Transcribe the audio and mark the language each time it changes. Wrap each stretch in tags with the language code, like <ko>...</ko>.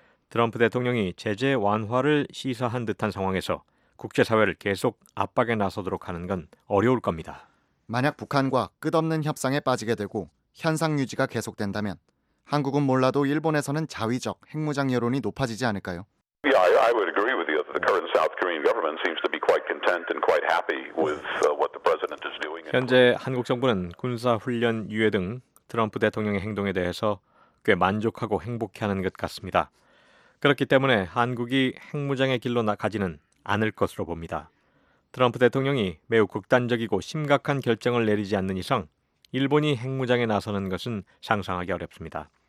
<ko>트럼프 대통령이 제재 완화를 시사한 듯한 상황에서 국제사회를 계속 압박에 나서도록 하는 건 어려울 겁니다. 만약 북한과 끝없는 협상에 빠지게 되고 현상 유지가 계속된다면 한국은 몰라도 일본에서는 자위적 핵무장 여론이 높아지지 않을까요?</ko> <en>Yeah, I would agree with you. The current South Korean government seems to be quite content and quite happy with what the president is doing.</en> <ko>현재 한국 정부는 군사 훈련 유예 등 트럼프 대통령의 행동에 대해서 꽤 만족하고 행복해하는 것 같습니다. 그렇기 때문에 한국이 핵무장의 길로 나가지는 않을 것으로 봅니다. 트럼프 대통령이 매우 극단적이고 심각한 결정을 내리지 않는 이상 일본이 핵무장에 나서는 것은 상상하기 어렵습니다.</ko>